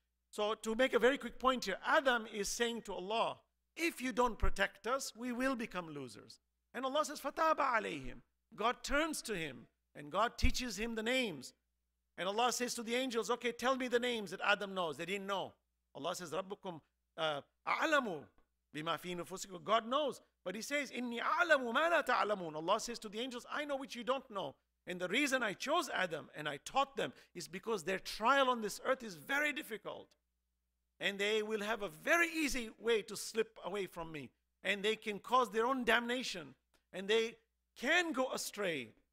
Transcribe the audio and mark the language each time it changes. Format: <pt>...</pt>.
<en>So to make a very quick point here, Adam is saying to Allah, if you don't protect us, we will become losers. And Allah says,</en> <ar>فَتَابَ عَلَيْهِمْ.</ar> <en>God turns to him, and God teaches him the names. And Allah says to the angels, okay, tell me the names that Adam knows. They didn't know. Allah says,</en> <ar>رَبُّكُمْ أَعْلَمُ بِمَا فِي نُفُسِكُمْ.</ar> <en>God knows. But he says,</en> <ar>إِنِّي أَعْلَمُ مَا لَا تَعْلَمُونَ.</ar> <en>Allah says to the angels, I know which you don't know. And the reason I chose Adam and I taught them is because their trial on this earth is very difficult. And they will have a very easy way to slip away from me. And they can cause their own damnation. And they can go astray.</en>